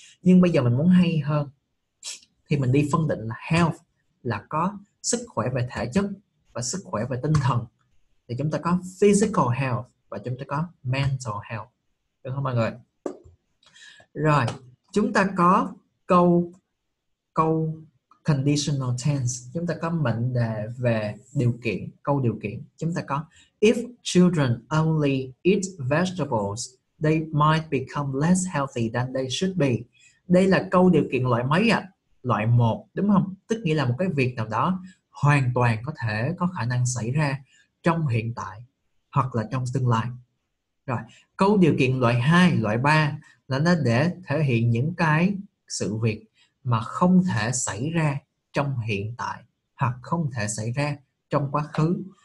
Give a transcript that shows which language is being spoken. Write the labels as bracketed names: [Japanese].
[Vietnamese] Nhưng bây giờ mình muốn hay hơn thì mình đi phân định là health là có sức khỏe về thể chất và sức khỏe về tinh thần. Thì chúng ta có [English] physical health [Vietnamese] và chúng ta có [English] mental health. [Vietnamese] Được không mọi người? Rồi, chúng ta có câu conditional tense. Chúng ta có mệnh đề về điều kiện, câu điều kiện. Chúng ta có [English] if children only eat vegetables, they might become less healthy than they should be. [Vietnamese] Đây là câu điều kiện loại mấy ạ? Loại 1, đúng không? Tức nghĩa là một cái việc nào đó hoàn toàn có thể có khả năng xảy ra trong hiện tại hoặc là trong tương lai. Rồi, câu điều kiện loại 2, loại 3 là nó để thể hiện những cái sự việc mà không thể xảy ra trong hiện tại hoặc không thể xảy ra trong quá khứ.